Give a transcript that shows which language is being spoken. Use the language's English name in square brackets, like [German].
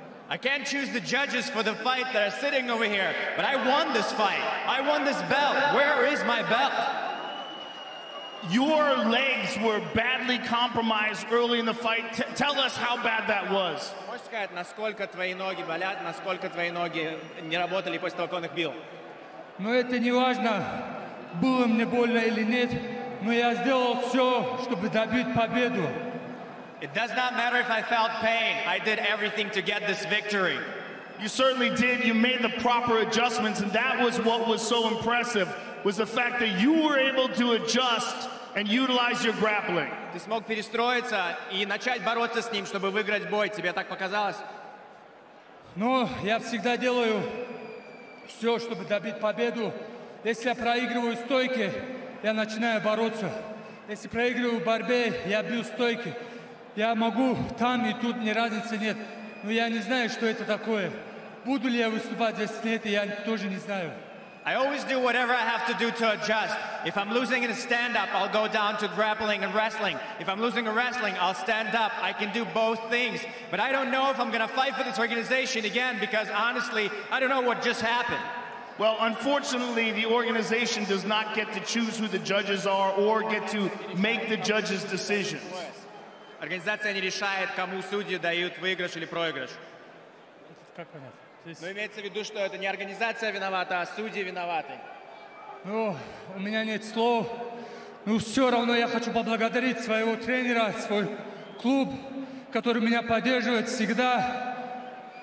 [English] I can't choose the judges for the fight that are sitting over here, but I won this fight. I won this belt. Where is my belt? Your legs were badly compromised early in the fight. Tell us how bad that was. [Russian] Можешь сказать, насколько твои ноги болят, насколько твои ноги не работали после того, как он их бил? Но это не важно, было мне больно или нет, но я сделал все, чтобы добить победу. [English] It does not matter if I felt pain. I did everything to get this victory. You certainly did. You made the proper adjustments, and that was what was so impressive, was the fact that you were able to adjust and utilize your grappling. [Russian] Ты смог перестроиться и начать бороться с ним, чтобы выиграть бой. Тебе так показалось? Ну, я всегда делаю все, чтобы добить победу. Если я проигрываю стойки, я начинаю бороться. Если проигрываю в борьбе, я бью стойки. Я могу там и тут, ни разницы нет. Но я не знаю, что это такое. Буду ли я выступать здесь, нет, я тоже не знаю. [English] I always do whatever I have to do to adjust. If I'm losing in a stand-up, I'll go down to grappling and wrestling. If I'm losing in wrestling, I'll stand up. I can do both things. But I don't know if I'm going to fight for this organization again, because honestly, I don't know what just happened. Well, unfortunately, the organization does not get to choose who the judges are or get to make the judges' decisions. [Russian] Организация не решает, кому судьи дают выигрыш или проигрыш. Как понять? Здесь... Но имеется в виду, что это не организация виновата, а судьи виноваты. Ну, у меня нет слов. Но все равно я хочу поблагодарить своего тренера, свой клуб, который меня поддерживает всегда.